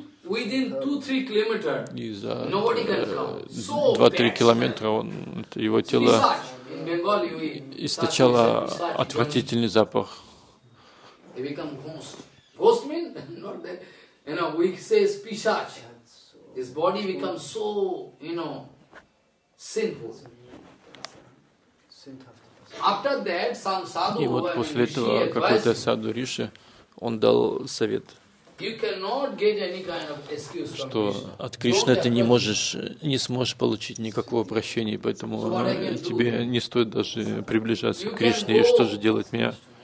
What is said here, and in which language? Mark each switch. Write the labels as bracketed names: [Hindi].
[English] within 2-3 kilometers, nobody can come. So fast. [Russian] 2-3 километра он, его тело источало отвратительный запах. [English] They become ghost. Ghost mean not that. You know, we say pishach. His body becomes so, you know, sinful. After that, some sadhu. [Russian] И вот после этого какой-то саду Риши, он дал совет. [English] You cannot get any kind of excuse. [Russian] Что от Кришны ты не можешь, не сможешь получить никакого прощения, поэтому тебе не стоит даже приближаться к Кришне. И что же делать мне?